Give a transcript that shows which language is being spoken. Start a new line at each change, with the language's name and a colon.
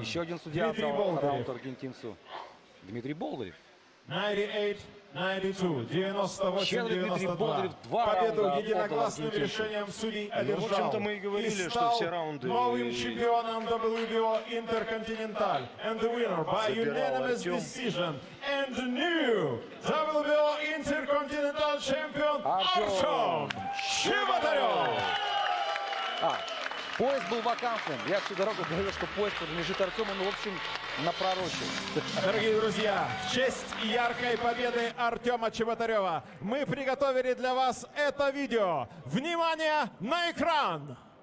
Russian: Еще один судья отдал раунд аргентинцу. Дмитрий Болдырев. 98-92, 98-92. Победу единогласным решением судей одержал. В общем-то, мы и говорили, что все раунды... новым чемпионом WBO Intercontinental.
English: And the winner by unanimous decision. And new WBO Intercontinental Champion Артем Чеботарев.
Russian: Поезд был вакантным. Я всю дорогу говорил, что поезд принадлежит Артему, но, в общем, напророчил. Дорогие друзья, в честь яркой победы Артема Чеботарева мы приготовили для вас это видео. Внимание на экран!